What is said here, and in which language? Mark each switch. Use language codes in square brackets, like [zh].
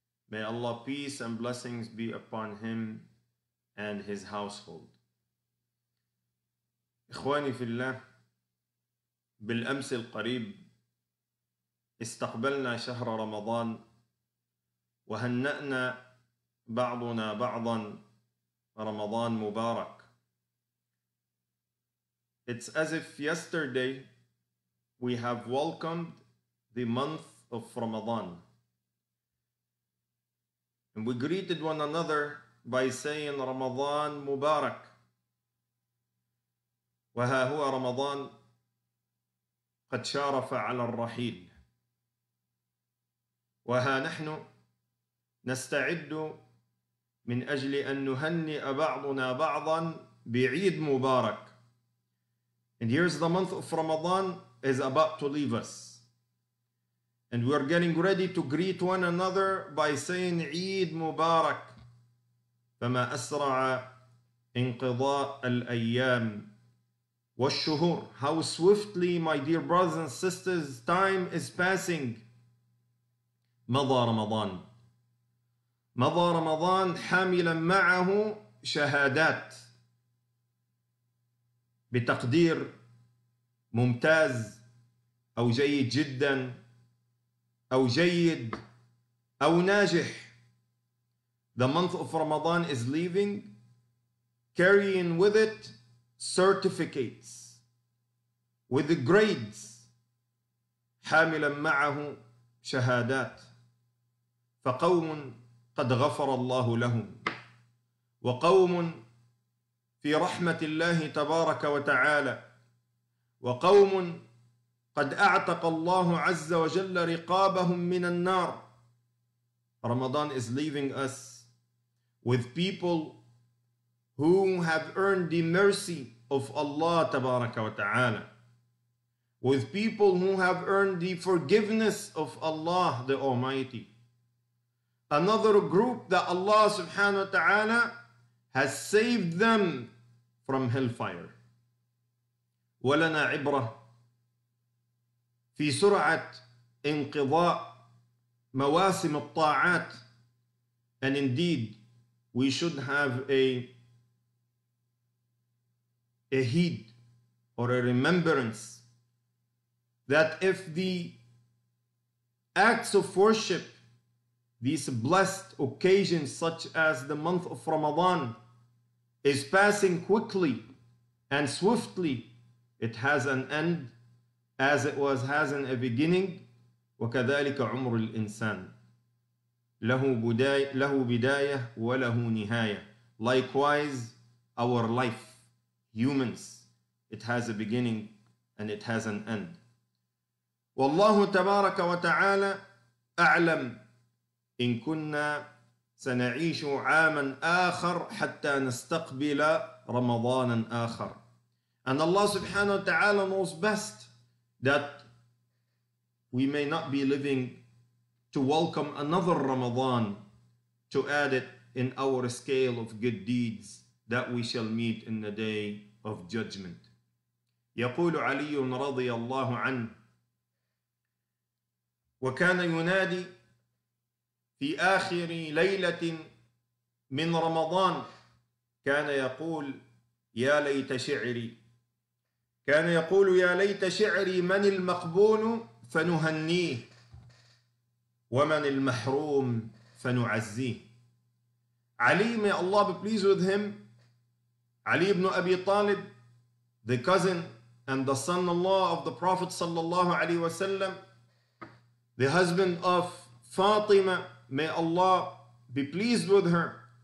[en] May Allah peace and blessings be upon him and his household. [ar] إخواني في الله، بالأمس القريب استقبلنا شهر رمضان وهنأنا بعضنا بعضا رمضان مبارك. [en] It's as if yesterday we have welcomed the month of Ramadan. And we greeted one another by saying Ramadan مبارك. [ar] وها هو رمضان قد شارف على الرحيل، وها نحن نستعد من أجل أن نهنئ بعضنا بعضا بعيد مبارك. [en] And here's the month of Ramadan is about to leave us. And we are getting ready to greet one another by saying Eid مبارك. [ar] فما أسرع انقضاء الأيام والشهور. [en] How swiftly, my dear brothers and sisters, time is passing. [ar] مضى رمضان. مضى رمضان حاملا معه شهادات بتقدير ممتاز أو جيد جدا أو جيد أو ناجح. [en] The month of Ramadan is leaving, carrying with it certificates with the grades. [ar] حاملا معه شهادات فقوم قد غفر الله لهم وقوم في رحمة الله تبارك وتعالى وقوم قد أعتق الله عز وجل رقابهم من النار. [en] Ramadan is leaving us with people who have earned the mercy of Allah [ar] تبارك وتعالى, [en] with people who have earned the forgiveness of Allah the Almighty, another group that Allah subhanahu wa ta'ala has saved them from hellfire. [ar] ولنا عبرة في سرعة انقضاء مواسم الطاعات. [en] And indeed we should have a heed or a remembrance that if the acts of worship, these blessed occasions such as the month of Ramadan, is passing quickly and swiftly, it has an end as it was has in a beginning. [ar] وكذلك عمر الإنسان له بداية وله نهاية. [en] Likewise our life, humans, it has a beginning and it has an end. [ar] والله تبارك وتعالى أعلم إن كنا سنعيش عاما آخر حتى نستقبل رمضانا آخر. [en] And Allah [ar] سبحانه وتعالى [en] knows best that we may not be living to welcome another Ramadan, to add it in our scale of good deeds that we shall meet in the day of judgment. [ar] يقول علي رضي الله عنه وكان ينادي في آخر ليلة من رمضان كان يقول يا ليت شعري, كان يقول يا ليت شعري من المقبول فنهنيه ومن المحروم فنعزيه. [en] Ali, may Allah be pleased with him, Ali bin Abi Talib, the cousin and the son-in-law of the Prophet sallallahu alaihi wasallam, the husband of Fatima, may Allah be pleased with her.